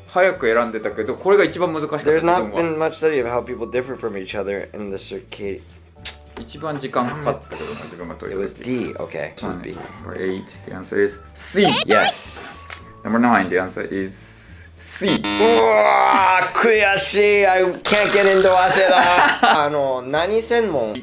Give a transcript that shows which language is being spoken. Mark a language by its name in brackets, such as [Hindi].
[Japanese] 早く選んでたけど、これが一番難しかった。 [English] There's not been much study of how people differ from each other in the circuit. [Japanese] 一番時間かかったけどな、自分が解いた。 [English] It was D, okay. Should be. Number 8, the answer is C. Yes. Number 9, the answer is C。 [Japanese] うわー悔しい。 [English] I can't get into 早稲田。 [Japanese] あの何専門？